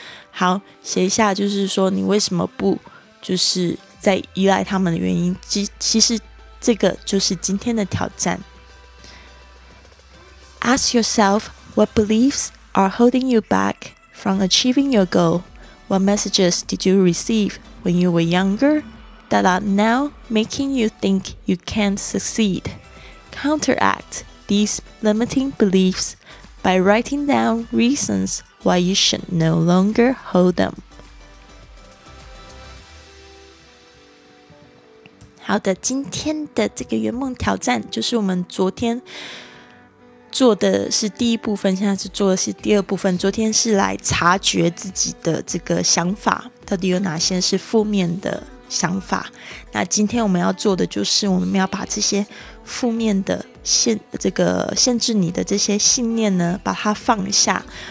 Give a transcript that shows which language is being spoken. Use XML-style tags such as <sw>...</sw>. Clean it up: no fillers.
<zh>好，写一下就是说你为什么不就是在依赖他们的原因，其实这个就是今天的挑战。</zh> <en>Ask yourself what beliefs are holding you back from achieving your goal， what messages did you receive when you were younger that are now making you think you can't succeedCounteract these limiting beliefs by writing down reasons why you should no longer hold them。</en> <zh>好的，今天的这个圆梦挑战就是我们昨天做的是第一部分，现在是做的是第二部分。昨天是来察觉自己的这个想法到底有哪些是负面的想法，那今天我们要做的就是我们要把这些负面的限制你的这些信念呢把它放下。</zh>